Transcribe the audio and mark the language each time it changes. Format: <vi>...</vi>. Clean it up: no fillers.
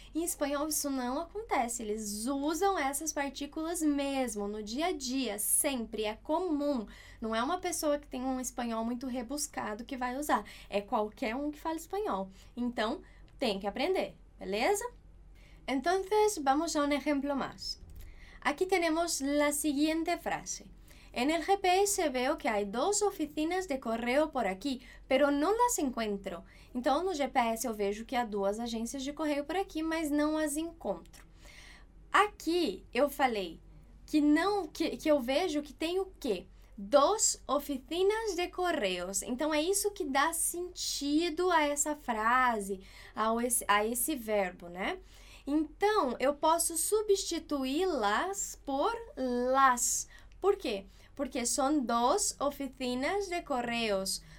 <pt>Em espanhol, isso não acontece. Eles usam essas partículas mesmo, no dia a dia, sempre. É comum. Não é uma pessoa que tem um espanhol muito rebuscado que vai usar. É qualquer um que fala espanhol. Então, tem que aprender, beleza?</pt> <es>Entonces, vamos a un ejemplo más. Aquí tenemos la siguiente frase. En el GPS veo que hay dos oficinas de correo por aquí, pero no las encuentro.</es> <pt>Então, no GPS eu vejo que há duas agências de correio por aquí, mas não as encontro. Aqui eu falei que, não, que eu vejo que tem o quê?</pt> <es>Dos oficinas de correos.</es> <pt>Então, é isso que dá sentido a essa frase, a esse verbo, né? Então, eu posso substituí-las por las. Por quê? Porque são dos oficinas de correios.</pt>